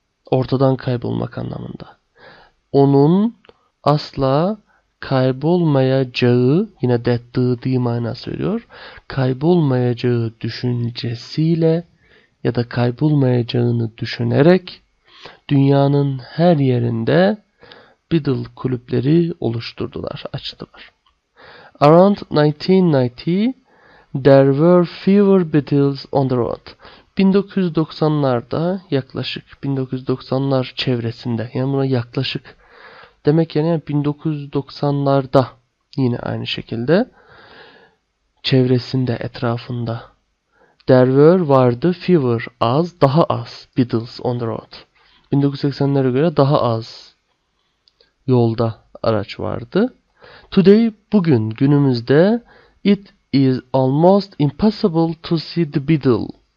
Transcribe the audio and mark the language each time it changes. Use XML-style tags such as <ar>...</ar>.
<tr>Ortadan kaybolmak anlamında. Onun asla kaybolmayacağı, yine that, the, the mana söylüyor. Kaybolmayacağı düşüncesiyle ya da kaybolmayacağını düşünerek dünyanın her yerinde Beetle kulüpleri oluşturdular, açtılar.</tr> <en>Around 1990, there were fewer Beetles on the road.</en> <tr>1990'larda yaklaşık, 1990'lar çevresinde, yani buna yaklaşık demek yani 1990'larda yine aynı şekilde çevresinde, etrafında.</tr> <en>There were, vardı, fewer, az,</en> <tr>daha az</tr> <en>Beetles on the road.</en> <tr>1980'lere göre daha az yolda araç vardı.</tr> <en>Today,</en> <tr>bugün, günümüzde,</tr> <en>it is almost impossible to see the Beetle.</en>